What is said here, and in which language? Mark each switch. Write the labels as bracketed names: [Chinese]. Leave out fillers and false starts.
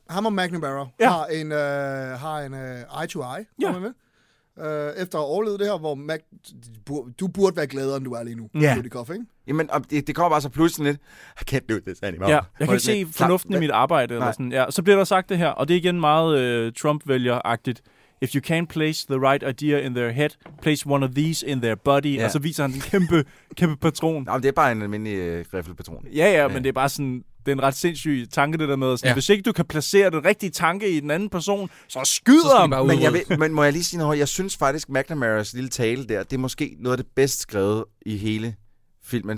[Danish] Ham og McNamara har en eye-to-eye, kommer med. Efter at overleve det her, hvor Mac, du burde være gladere, end du er lige nu. Ja. Dudikoff, ikke? Jamen, det kommer bare så pludselig lidt. [English] I can't do this anymore. [Danish] Ja, jeg kan ikke se fornuften i mit arbejde. Eller sådan. Ja, så bliver der sagt det her, og det er igen meget Trump-vælger-agtigt. [English] If you can't place the right idea in their head, place one of these in their body. [Danish] Ja. Og så viser han en kæmpe, kæmpe patron. Jamen, det er bare en almindelig riffelpatron. Ja, men det er bare sådan... Det er en ret sindssyg tanke, det der med. Sådan, hvis ikke du kan placere den rigtige tanke i den anden person, så skyder ham. Men må jeg lige sige noget? Jeg synes faktisk, McNamara's lille tale der, det er måske noget af det bedst skrevet i hele filmen.